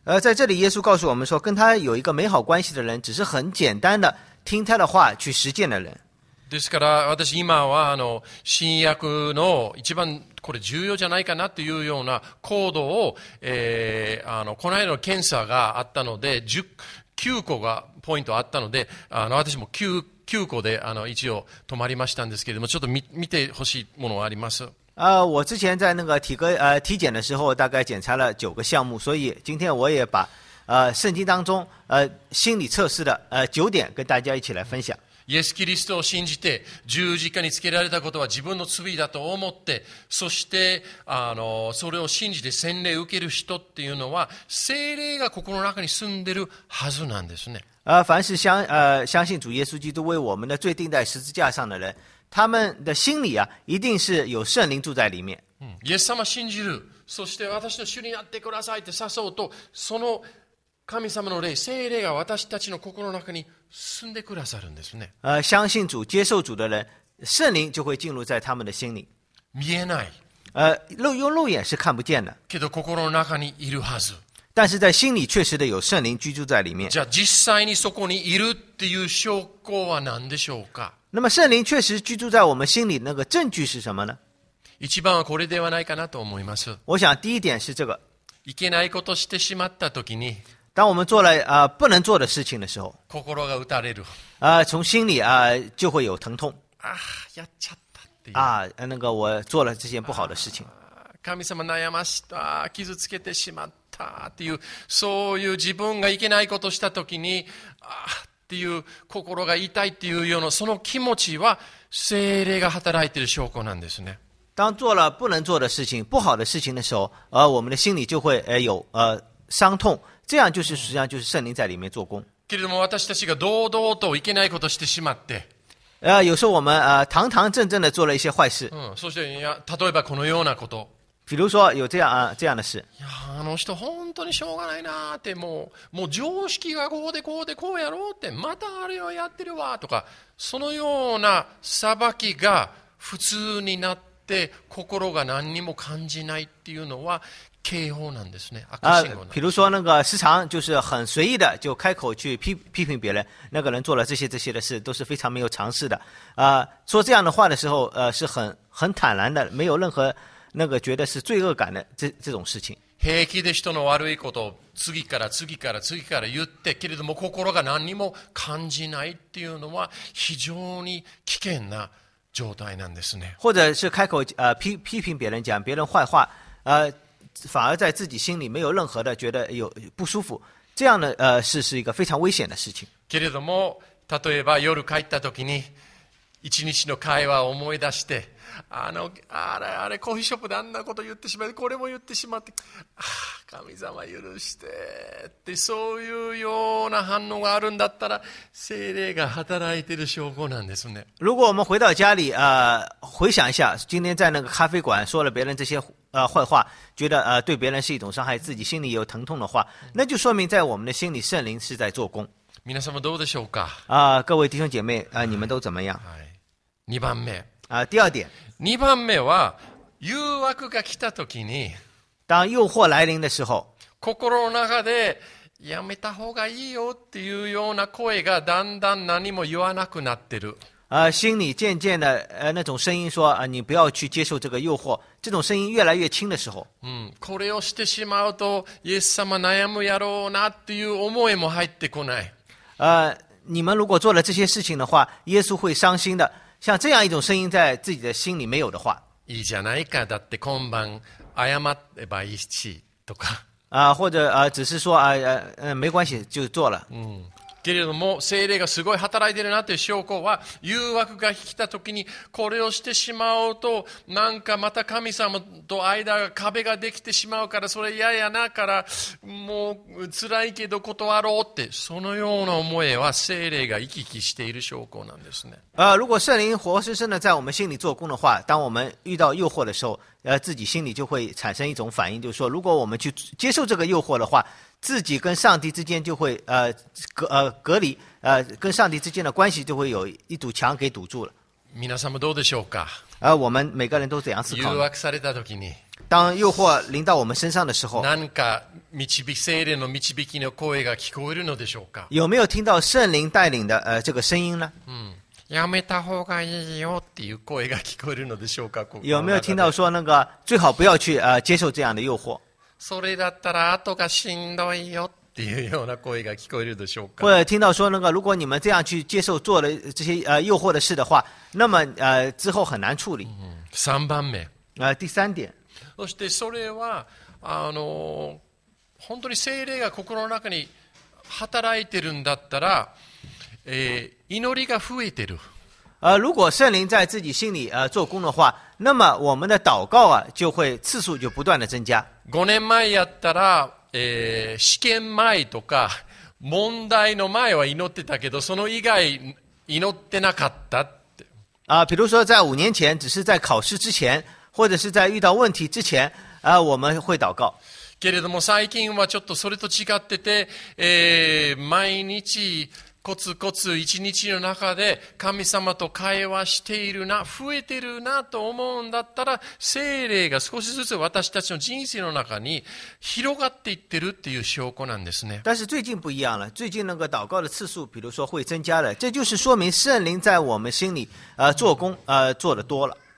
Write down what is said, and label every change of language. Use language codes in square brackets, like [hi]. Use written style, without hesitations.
[zh] 在这里耶稣告诉我们说，跟他有一个美好关系的人，只是很简单的听他的话去实践的人。 [ja] ですから私今は新約の一番これ重要じゃないかなというような行動を、この間の検査があったので9個がポイントあったので私も 9個で一応止まりましたんですけれども、ちょっと 見てほしいものがあります。 [zh] 我之前在那个 体检的时候大概检查了9个项目，所以今天我也把圣经当中心理测试的9点跟大家一起来分享。 [ja] イエス・キリストを信じて十字架につけられたことは自分の罪だと思って、そしてそれを信じて洗礼を受ける人っていうのは聖霊が心の中に住んでるはずなんですね。 [zh] 凡是 相信主耶稣基督为我们的罪钉在十字架上的人，他们的心里啊一定是有圣灵住在里面。 [ja] イエス様信じる、そして私の主になってくださいって誘うと、その神様の霊、聖霊が私たちの心の中に住んでくださるんですね。 [zh] 相信主、接受主的人、圣灵就会进入在他们的心里。 [ja] 見えない。 [zh] 用肉眼是看不见的。 [ja] けど心の中にいるはず。 [zh] 但是在心里确实的有圣灵居住在里面。 [ja] じゃあ実際にそこにいるっていう証拠は何でしょうか？ [zh] 那么圣灵确实居住在我们心里，那个证据是什么呢？ [ja] 一番はこれではないかなと思います。 [zh] 我想第一点是这个。 [ja] いけないことしてしまったときに。 [zh] 当我们做了不能做的事情的时候， [ja] 心が打たれる。 [zh] 从心里就会有疼痛。 [ja] 啊，やっちゃったっていう。 [zh] 那个我做了这件不好的事情。 [ja] 神様悩ました、傷つけてしまったっていう、そういう自分がいけないことした時に、っていう心が痛いっていうようなその気持ちは聖霊が働いている証拠なんですね。 [zh] 当做了不能做的事情、不好的事情的时候，我们的心里就会有伤痛。这样就是实际上就是圣灵在里面做工。 [ja] けれども私たちが堂々といけないことしてしまって、 [zh] 有时候我们堂堂正正的做了一些坏事。 [ja] そしていや例えばこのようなこと。 [zh] 比如说有这样的事。 [ja] いやあの人本当にしょうがないなって、もう常識がこうでこうでこうやろうって、またあれをやってるわとか、そのような裁きが普通になって心が何にも感じないっていうのは。警報なんですね。 [zh] 比如说那个时常就是很随意的就开口去批评别人，那个人做了这些的事都是非常没有常识的。说这样的话的时候，是很坦然的，没有任何那个觉得是罪恶感的这种事情。 [ja] 平気で人の悪いことを次から次から次から言ってけれども心が何にも感じないっていうのは非常に危険な状態なんですね。 [zh] 或者是开口批评别人，讲别人坏话，反而在自己心里没有任何的觉得有不舒服，这样的事是一个非常危险的事情。 [ja] けれども、例えば夜帰った時に一日の会話を思い出して、あれコーヒーショップであんなこと言ってしまって、これも言ってしまって、神様許してってそういうような反応があるんだったら、聖霊が働いている証拠なんですね。 [zh] 如果我们回到家里，回想一下，今天在那个咖啡馆说了别人这些。坏话，觉得对别人是一种伤害，自己心里也有疼痛的话，那就说明在我们的心里圣灵是在做工。 [ja] 皆様どうでしょうか。 [zh] 啊，各位弟兄姐妹，啊，你们都怎么样？ [ja] はい。二番目。 [zh] 啊，第二点。 [ja] 二番目は誘惑が来た時に、 [zh] 当诱惑来临的时候， [ja] 心の中でやめた方がいいよっていうような声がだんだん何も言わなくなってる。 [zh] 啊，心里渐渐的，那种声音说啊，你不要去接受这个诱惑，这种声音越来越轻的时候。 [ja] これをしてしまうと、イエス様悩むやろうなっていう思いも入ってこない。 [zh] 你们如果做了这些事情的话，耶稣会伤心的。像这样一种声音在自己的心里没有的话， [ja] いいじゃないか。だって今晩謝ればいいしとか。 [zh] 或者只是说没关系就做了。 [ja] けれども聖霊がすごい働いてるなという証拠は、誘惑が来た時にこれをしてしまうと、なんかまた神様と間が壁ができてしまうから、それ嫌やなから、もう辛いけど断ろうって、そのような思いは聖霊が生き生きしている証拠なんですね。 [zh] 如果聖灵活生生的在我们心里做工的话，当我们遇到诱惑的时候，自己心里就会产生一种反应，就是说如果我们去接受这个诱惑的话，自己跟上帝之间就会隔离，跟上帝之间的关系就会有一堵墙给堵住了。 [ja] 皆さんもどうでしょうか？ [zh] 我们每个人都怎样思考？ [ja] 誘惑された時に、 [zh] 当诱惑临到我们身上的时候， [ja] 何か聖霊の導きの声が聞こえるのでしょうか？ [zh] 有没有听到圣灵带领的这个声音呢？ [ja] やめた方がいいよっていう声が聞こえるのでしょうか？ [zh] 有没有听到说那个最好不要去接受这样的诱惑？ [ja] それだったら後がしんどいよっていうような声が聞こえるでしょうか。 [zh] 或者听到说那个，如果你们这样去接受做了这些诱惑的事的话，那么之后很难处理。 [ja] 三番目。 [zh] 第三点。 [ja] そしてそれは本当に聖霊が心の中に働いてるんだったら、祈りが増えてる。 [zh] 如果圣灵在自己心里做工的话，那么我们的祷告啊就会次数就不断的增加。 [ja] 5年前やったら、試験前とか問題の前は祈ってたけど、その以外祈ってなかったって。 [zh] 比如说在5年前只是在考试之前或者是在遇到问题之前我们会祷告。 [ja] けれども最近はちょっとそれと違ってて、毎日コツコツ一日の中で神様と会話しているな、増えてるなと思うんだったら、聖霊が少しずつ私たちの人生の中に広がっていってるっていう証拠なんですね。 [zh] 但是最近不一样了，最近那个祷告的次数，比如说会增加了，这就是说明圣灵在我们心里做工做的多了。